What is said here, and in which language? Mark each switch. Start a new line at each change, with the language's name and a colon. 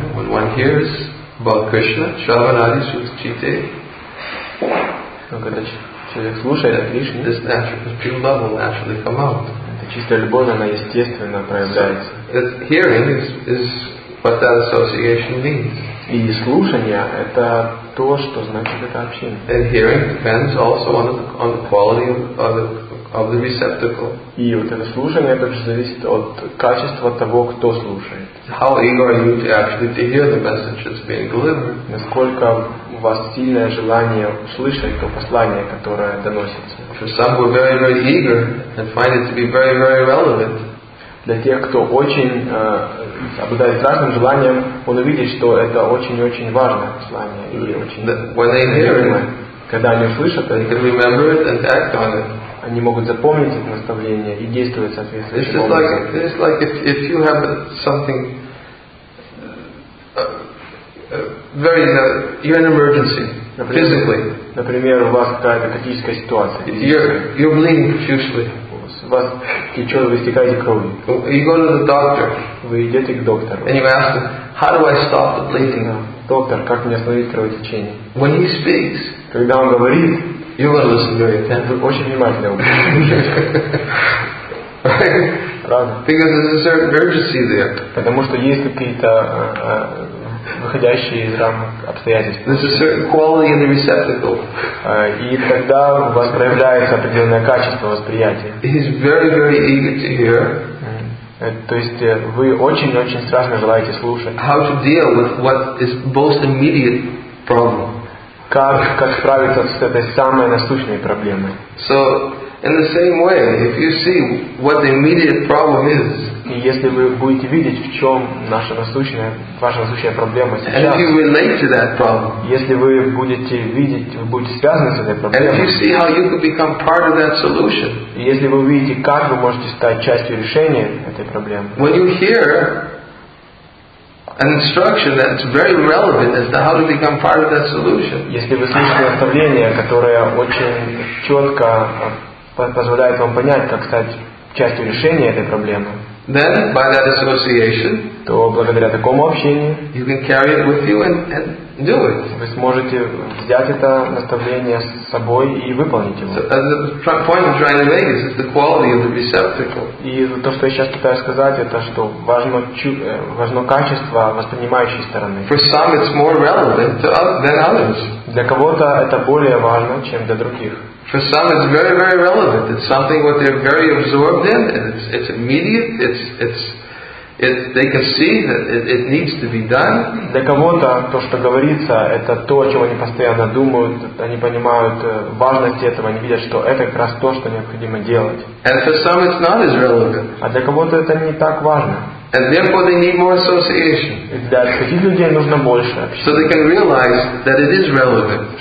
English: When one hears about Krishna, Shravanadi Sutchite,
Russian: когда человек слушает о Кришне,
English: this natural, this pure love will naturally come out.
Russian: Эта чистая любовь, она естественно проявляется.
English: Hearing is what that association means.
Russian: И слушание — это то, что значит это общение.
English: And hearing depends also on the quality of the receptacle.
Russian: И вот это слушание также зависит от качества того, кто слушает.
English: How eager are you to actually to hear the message that's being delivered?
Russian: Насколько у вас сильное желание услышать то послание, которое доносится?
English: For some who are very, very eager and find it to be very, very relevant.
Russian: Для тех, кто очень обладает страстным желанием, он увидит, что это очень-очень важное послание. И когда они услышат это, они могут запомнить это наставление и действовать соответствующим образом.
English: It's just like if you have something very, you're in an emergency, physically.
Russian: Например, у вас какая-то критическая ситуация.
English: You're bleeding profusely.
Russian: Вас течет, вы истекаете кровью.
English: You go to the doctor.
Russian: Вы идете к доктору.
English: And you ask him, how do I stop the bleeding?
Russian: Доктор, как мне остановить кровотечение?
English: When he speaks,
Russian: когда он говорит,
English: you want to listen very attentively.
Russian: Очень внимательно.
English: Because there's a certain urgency there.
Russian: Потому что есть какие-то выходящие из рамок обстоятельств.
English: There's a certain quality in the receptacle.
Russian: И тогда у вас проявляется определенное качество восприятия.
English: He's very, very eager to hear.
Russian: То есть вы очень-очень страстно желаете слушать.
English: How to deal with what is most immediate problem?
Russian: Как справиться с этой самой насущной проблемой?
English: So in the same way, if you see what the immediate problem is.
Russian: И если вы будете видеть, в чем ваша насущная проблема сейчас,
English: and if you relate to that problem,
Russian: если вы будете видеть, вы будете связаны с этой проблемой,
English: and if you see how you could become part of that solution,
Russian: и если вы увидите, как вы можете стать частью решения этой проблемы,
English: when you hear an instruction that's very relevant as to how to become part of that solution,
Russian: если вы слышите наставление, которое очень четко позволяет вам понять, как стать частью решения этой проблемы.
English: Then, by that association,
Russian: то благодаря такому общению,
English: you can carry it with you and do it.
Russian: Вы сможете взять это наставление с собой и выполнить его.
English: So, the point I'm trying to make is the quality of the receptacle.
Russian: И то, что я сейчас пытаюсь сказать, это что важно качество воспринимающей стороны.
English: For some, it's more relevant than others.
Russian: Для кого-то это более важно, чем для других.
English: For some, it's very, very relevant. It's something what they're very absorbed in, and it's immediate. It's they can see that it needs to be done.
Russian: Для кого-то то, что говорится, это то, о чем они постоянно думают. Они понимают важность этого. Они видят, что это как раз то, что необходимо делать.
English: And for some, it's not as relevant.
Russian: А для кого-то это не так важно.
English: And therefore, they need more association.
Russian: Для таких людей нужно больше общения.
English: So they can realize that it is relevant.